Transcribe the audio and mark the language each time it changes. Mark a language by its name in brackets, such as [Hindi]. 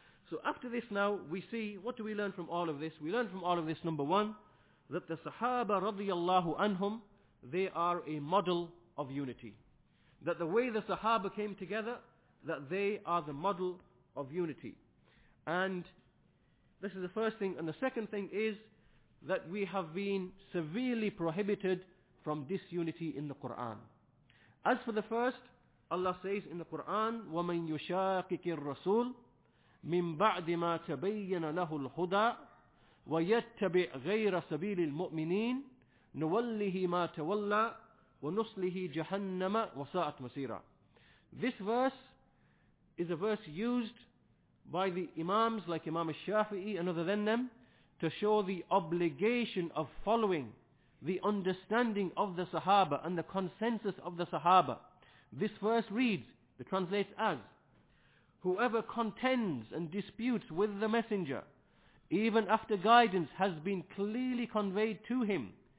[English] So after this now, we see, what do we learn from all of this? We learn from all of this, number one, that the Sahaba radiyallahu anhum, they are a model of unity. That the way the Sahaba came together, that they are the model of unity. And this is the first thing. And the second thing is that we have been severely prohibited from disunity in the Quran. As for the first, Allah says in the Quran, [Arabic] وَمَنْ يُشَاقِقِ الرَّسُولِ مِنْ بَعْدِ مَا تَبَيَّنَ لَهُ الْهُدَىٰ وَيَتَّبِعْ غَيْرَ سَبِيلِ الْمُؤْمِنِينَ نُوَلِّهِ مَا تَوَلَّىٰ وَنُصْلِهِ جَهَنَّمَ وَسَاءَتْ مَسِيرًا. [English] This verse is a verse used by the Imams like Imam al-Shafi'i and other than them to show the obligation of following the understanding of the Sahaba and the consensus of the Sahaba. This verse reads, it translates as, whoever contends and disputes with the Messenger, even after guidance has been clearly conveyed to him,